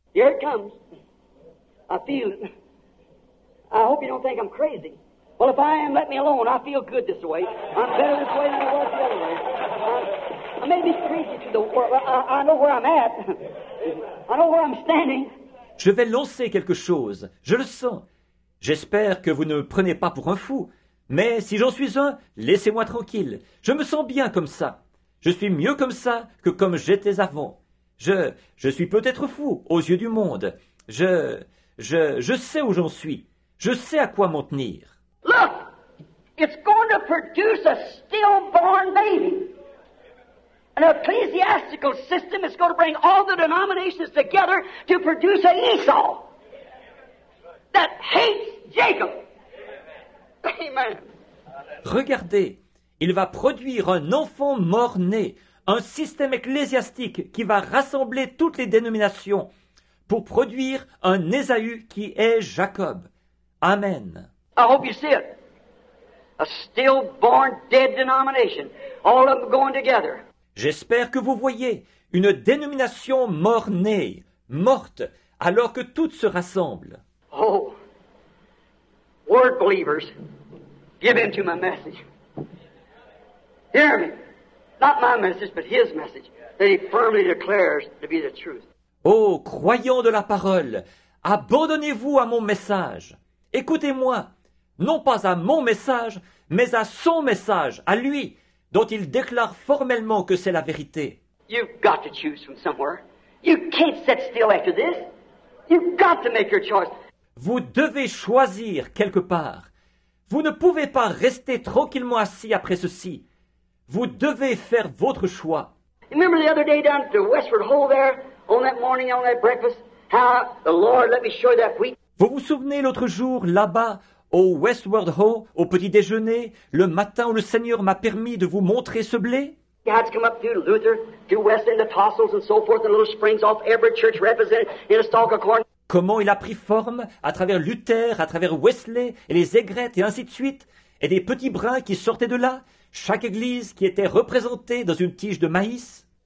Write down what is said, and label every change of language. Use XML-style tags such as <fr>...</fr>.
<en>Here it comes. I feel it. I hope you don't think I'm crazy. Well, if I am, let me alone. I feel good this way. I'm better this way than I was the other way. I may be crazy to the world. I know where I'm at. I know where I'm standing.</en> <fr>Je vais lancer quelque chose. Je le sens. J'espère que vous ne me prenez pas pour un fou. Mais si j'en suis un, laissez-moi tranquille. Je me sens bien comme ça. Je suis mieux comme ça que comme j'étais avant. Je suis peut-être fou aux yeux du monde. Je sais où j'en suis. Je sais à quoi m'en tenir.</fr> <en>Look, it's going to produce a stillborn baby. An ecclesiastical system is going to bring all the denominations together to produce an Esau that hates Jacob. Amen.</en> <fr>Regardez, il va produire un enfant mort-né, un système ecclésiastique qui va rassembler toutes les dénominations pour produire un Ésaü qui est Jacob. Amen.</fr> <en>I hope you see it. A stillborn dead denomination. All of them going together.</en> <fr>J'espère que vous voyez une dénomination mort-née, morte, alors que toutes se rassemblent.</fr> <en>Oh, word believers, give in to my message. Hear me. Not my message, but his message that he firmly declares to be the truth.</en> <fr>Oh, croyant de la parole, abandonnez-vous à mon message. Écoutez-moi, non pas à mon message, mais à son message, à lui, dont il déclare formellement que c'est la vérité.</fr> <en>You've got to choose from somewhere. You can't sit still after this. You've got to make your choice.</en> <fr>Vous devez choisir quelque part. Vous ne pouvez pas rester tranquillement assis après ceci. Vous devez faire votre choix.</fr> <en>Remember the other day down at the Westward Hole there, on that morning, on that breakfast, how the Lord let me show that wheat.</en> <fr>Vous vous souvenez l'autre jour, là-bas, au Westward Hole, au petit déjeuner, le matin où le Seigneur m'a permis de vous montrer ce blé?</fr> <en>God's come up through Luther, through West End, the Tossels, and so forth, and little springs off every church represented in a stalk of corn.</en> <fr>Comment il a pris forme à travers Luther, à travers Wesley et les aigrettes et ainsi de suite, et des petits brins qui sortaient de là, chaque église qui était représentée dans une tige de maïs.</fr>